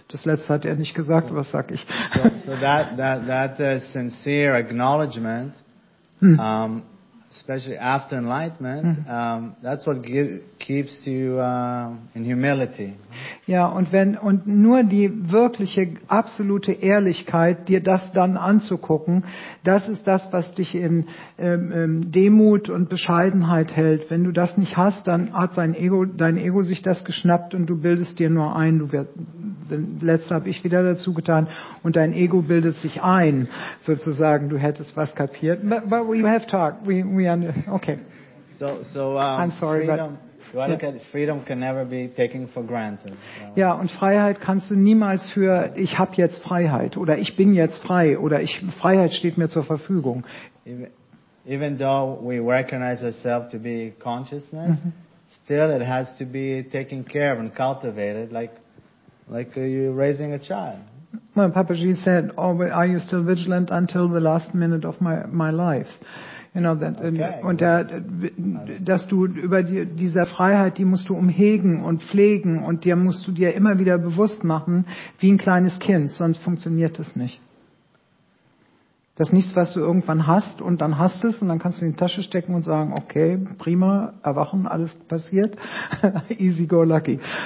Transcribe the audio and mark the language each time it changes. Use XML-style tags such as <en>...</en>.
<de>Das letzte hat er nicht gesagt, was sag ich?</de> <en>So that sincere acknowledgement, especially after enlightenment, that's what keeps you in humility.</en> <de>Ja, und nur die wirkliche absolute Ehrlichkeit, dir das dann anzugucken, das ist das, was dich in Demut und Bescheidenheit hält. Wenn du das nicht hast, dann hat dein Ego sich das geschnappt und du bildest dir nur ein. Letzte habe ich wieder dazu getan und dein Ego bildet sich ein, sozusagen. Du hättest was kapiert.</de> <en>But we have talked. We under, okay. So I'm sorry, freedom. But Freedom can never be taken for granted.</en> <de>Ja, und Freiheit kannst du niemals für ich habe jetzt Freiheit oder ich bin jetzt frei oder ich Freiheit steht mir zur Verfügung.</de> <en>Even though we recognize ourselves to be consciousness, still it has to be taken care of and cultivated like you're raising a child. Well, Papaji said, are you still vigilant until the last minute of my life? You know, that, okay.</en> <de>Und dass du über dieser Freiheit, die musst du umhegen und pflegen und dir musst du dir immer wieder bewusst machen, wie ein kleines Kind, sonst funktioniert es nicht. Das ist nichts, was du irgendwann hast und dann hast es und dann kannst du in die Tasche stecken und sagen, okay, prima, erwachen, alles passiert,</de> <en>easy go lucky.</en>